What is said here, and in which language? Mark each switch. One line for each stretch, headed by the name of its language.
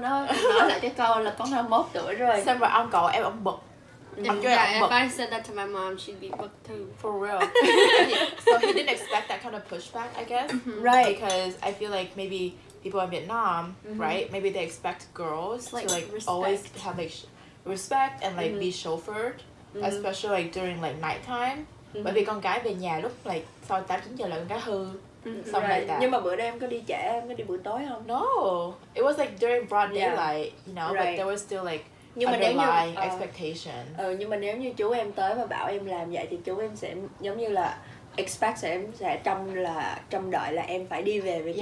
Vietnamese: Nó nói lại cho con là con 21 tuổi rồi. Xong rồi ông cậu em ông bực.
English: If I said that to my mom, she'd be booked too. For real. So he didn't expect that kind of pushback, I guess. Right. Because I feel like maybe people in Vietnam, mm-hmm. right, maybe they expect girls like, to like respect. Always have like respect and like mm-hmm. be chauffeured, mm-hmm. especially like during like nighttime. Mm-hmm.
Vietnamese: Bởi vì con gái về nhà lúc like sau 8-9 giờ là con gái hư.
English: Something right. like that.
Vietnamese: Nhưng mà bữa đó em có đi trễ, em có đi buổi tối không?
English: No. It was like during broad daylight, yeah. you know, right. but there was still like
Vietnamese: nhưng mà nếu như
English: expectation.
Vietnamese: Nhưng mà nếu như chú em tới và bảo em làm vậy thì chú em sẽ giống như là expect sẽ em sẽ trông là trông đợi là em phải đi về với chú